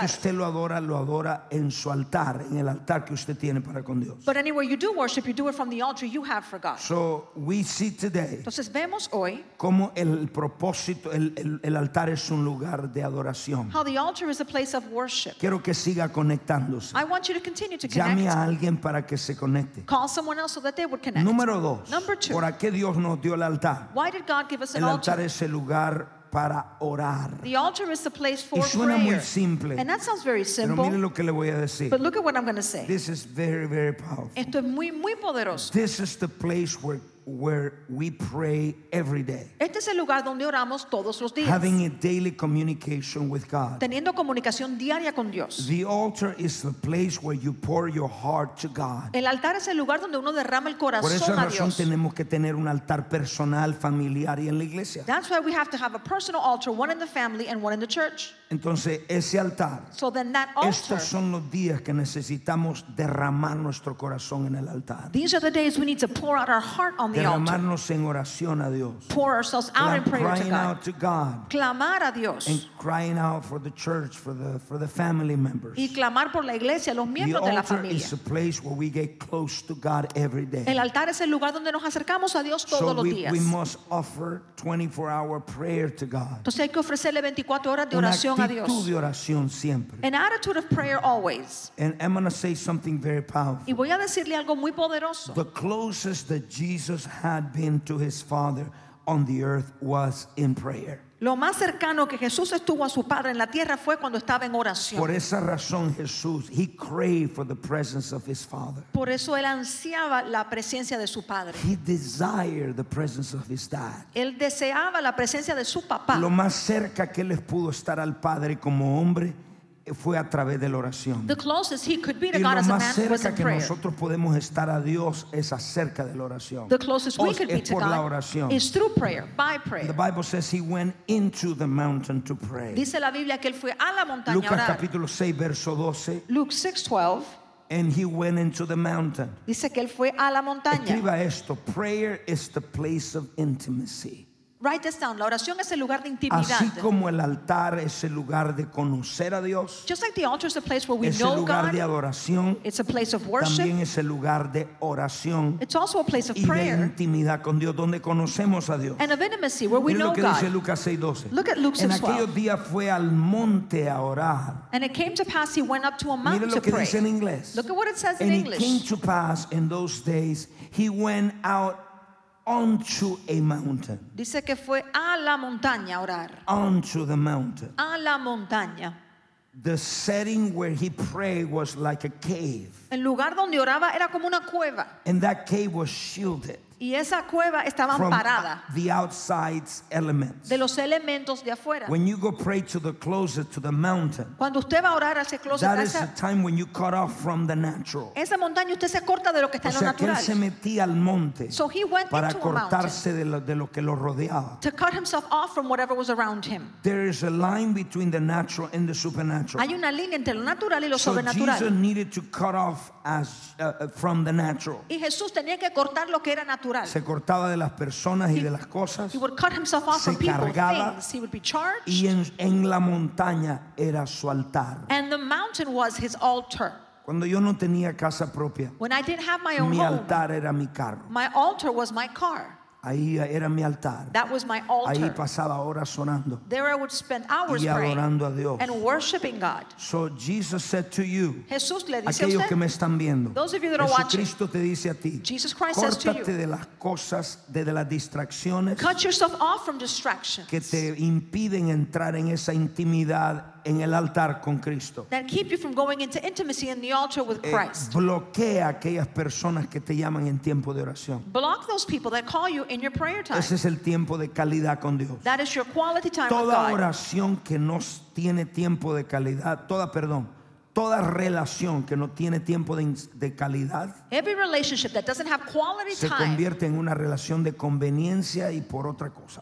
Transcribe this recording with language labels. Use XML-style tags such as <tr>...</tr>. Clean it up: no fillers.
<es>Que usted lo adora en su altar, en el altar que usted tiene para con Dios.</es> <en>But anywhere you do worship, you do it from the altar you have for God. So we see today.</en> <es>Entonces vemos hoy cómo el propósito El altar es un lugar de adoración.</es> <en>How the altar is a place of worship.</en> <es>Quiero que siga conectándose.</es> <en>I want you to continue to connect.</en> <es>Llame a alguien para que se conecte.</es> <en>Call someone else so that they would connect.</en> <es>Número dos.</es> <en>Number two.</en> <es>¿Por qué Dios nos dio el altar?</es> <en>Why did God give us an altar?</en> <es>El altar es el lugar para orar.</es> <en>The altar is the place for</en> <es>y suena</es> <en>prayer.</en> <es>Muy simple.</es> <en>And that sounds very simple.</en> <es>Pero mire lo que le voy a decir.</es> <en>But look at what I'm going to say. This is very, very powerful.</en> <es>Esto es muy, muy poderoso.</es> <en>This is the place where we pray every day.</en> <es>Este es el lugar donde oramos todos los días.</es> <en>Having a daily communication with God.</en> <es>Teniendo comunicación diaria con Dios.</es> <en>The altar is the place where you pour your heart to God.</en> <es>El altar es el lugar donde uno derrama el corazón a Dios. Por esa razón tenemos que tener un altar personal, familiar y en la iglesia.</es> <en>That's why we have to have a personal altar, one in the family and one in the church.</en> <es>Entonces ese altar,</es> <en>so then that altar,</en> <es>estos son los días que necesitamos derramar nuestro corazón en el altar.</es> <en>These are the days we need to pour out our heart on the altar.</en> <es>Derramarnos en oración a Dios.</es> <en>Pour ourselves out in prayer to God. Crying out to God.</en> <es>Clamar a Dios.</es> <en>And crying out for the church, for the family members.</en> <es>Y clamar por la iglesia, los miembros de la familia.</es> <en>The altar is a place where we get close to God every day.</en> <es>El altar es el lugar donde nos acercamos a Dios todos</es> <en>so</en> <es>los días.</es> <en>So we must offer 24-hour prayer to God.</en> <es>Entonces hay que ofrecerle 24 horas de oración. Actitud de oración siempre.</es> <en>An attitude of prayer always. And I'm going to say something very powerful.</en> <es>Y voy a decirle algo muy poderoso.</es> <en>The closest that Jesus had been to his Father on the earth was in prayer.</en> <es>Lo más cercano que Jesús estuvo a su Padre en la tierra fue cuando estaba en oración. Por esa razón Jesús,</es> <en>he craved for the presence of his Father.</en> <es>Por eso él ansiaba la presencia de su Padre.</es> <en>He desired the presence of his Dad.</en> <es>Él deseaba la presencia de su papá. Lo más cerca que él pudo estar al Padre como hombre fue a través de la oración.</es> <en>The closest he could be to</en> <es>y</es> <en>God as a man was in prayer.</en> <es>Y lo más cerca que nosotros podemos estar a Dios es acerca de la oración.</es> <en>The closest we could be to God</en> <es>oración.</es> <en>Is through prayer, by prayer. The Bible says he went into the mountain to pray.</en> <es>Dice la Biblia que él fue a la montaña. Lucas a orar. Capítulo 6 verso 12.</es> <en>Luke 6:12. And he went into the mountain.</en> <es>Dice que él fue a la montaña. Escriba esto.</es> <en>Prayer is the place of intimacy. Write this down.</en> <es>La oración es el lugar de intimidad. Así como el altar es el lugar de conocer a Dios.</es> <en>Just like the altar is a place where we know</en> <es>God. Es el lugar de adoración.</es> <en>It's a place of worship.</en> <es>También es el lugar de oración.</es> <en>It's also a place of prayer.</en> <es>Y de intimidad con Dios, donde conocemos a Dios.</es> <en>And of intimacy, where we know God.</en> <es>Mira lo que dice Lucas 6:12.</es> <en>Look at Luke 6:12.</en> <es>En aquellos días fue al monte a orar.</es> <en>And it came to pass he went up to a mountain to pray.</en> <es>Mira lo que dice en inglés.</es> <en>Look at what it says in English. And it came to pass in those days he went out onto a mountain.</en> <es>Dice que fue a la montaña a orar.</es> <en>Onto the mountain.</en> <es>A la montaña.</es> <en>The setting where he prayed was like a cave.</en> <es>El lugar donde oraba era como una cueva.</es> <en>And that cave was shielded.</en> <es>Y esa cueva estaba amparada.</es> <en>From the outside's elements.</en> <es>De los elementos de afuera.</es> <en>When you go pray to the closet, to the mountain.</en> <es>Cuando usted va a orar a ese closet,</es> <en>that is the time when you cut off from the natural.</en> <es>Esa montaña usted se corta de lo que está o sea, en lo natural. Él se metía al monte.</es> <en>So he went</en> <es>para</es> <en>into</en> <es>cortarse</es> <en>a mountain.</en> <es>De lo que lo rodeaba.</es> <en>To cut himself off from whatever was around him. There is a line between the natural and the supernatural.</en> <es>Hay una línea entre lo natural y lo</es> <en>so</en> <es>sobrenatural.</es> <en>Jesus needed to cut off as from the natural.</en> <es>Y Jesús tenía que cortar lo que era natural. Se cortaba de las personas y de las cosas.</es> <en>He would cut himself off</en> <es>se cargaba</es> <en>things. He would be charged.</en> <es>Y en la montaña era su altar.</es> <en>And the mountain was his altar.</en> <es>Cuando yo no tenía casa propia,</es> <en>when I didn't have my own</en> <es>mi altar</es> <en>home,</en> <es>era mi carro.</es> <en>My altar was my car.</en> <es>Ahí era mi altar.</es> <en>That was my altar.</en> <es>Ahí pasaba horas orando.</es> <en>There I would spend hours</en> <es>y adorando a Dios.</es> <en>And worshiping God. So Jesus said to you,</en> <es>Jesús le dice aquellos a usted, que me están viendo,</es> <en>those of you that are watching,</en> <es>Jesucristo te dice a ti,</es> <en>Jesus Christ says to you,</en> <es>córtate de las cosas, de las distracciones,</es> <en>cut yourself off from distractions,</en> <es>que te impiden entrar en esa intimidad en el altar con Cristo. That keep you from going into intimacy in the altar with Christ. Bloquea aquellas personas que te llaman en tiempo de oración.</es> <en>Block those people that call you in your prayer time.</en> <es>Ese es el tiempo de calidad con Dios.</es> <en>That is your quality time</en> <es>toda</es> <en>with God.</en> <es>Toda oración que no tiene tiempo de calidad, toda relación que no tiene tiempo de calidad,</es> <en>every relationship that doesn't have quality time,</en> <es>se convierte en una relación de conveniencia y por otra cosa.</es>